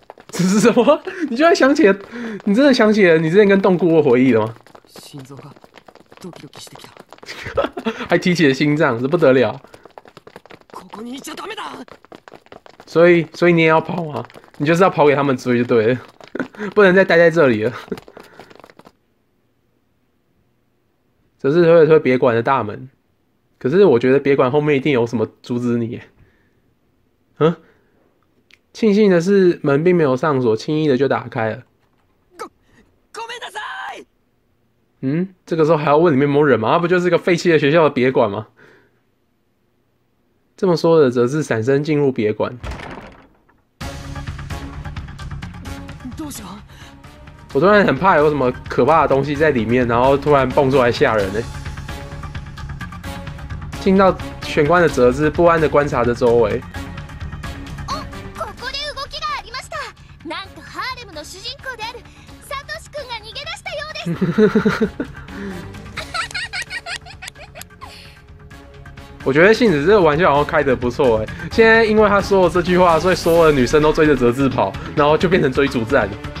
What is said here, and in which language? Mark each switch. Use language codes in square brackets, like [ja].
[zh] 这是什么？你居然想起了，你真的想起了你之前跟洞姑的回忆了吗？ [ja] 心臟がドキドキしてきた。 [zh] 还提起了心脏，这不得了。 [ja] ここにいちゃダメだ。 [zh] 所以你也要跑吗？你就是要跑给他们追就对了，不能再待在这里了。只是推了推别馆的大门，可是我觉得别馆后面一定有什么阻止你耶。嗯，庆幸的是门并没有上锁，轻易的就打开了。 [ja] ごめんなさい。 [zh] 嗯，这个时候还要问里面有没有人吗？那不就是个废弃的学校的别馆吗？这么说的则是闪身进入别馆。我突然很怕有什么可怕的东西在里面，然后突然蹦出来吓人欸。进到玄关的折枝不安的观察着周围。 [ja] 哦，ここで動きがありました。なんとハーレムの主人公であるサトシ君が逃げ出したようです。 [zh] 我觉得杏子这个玩笑好像开得不错欸。现在因为他说了这句话，所以所有的女生都追着折枝跑，然后就变成追逐战了。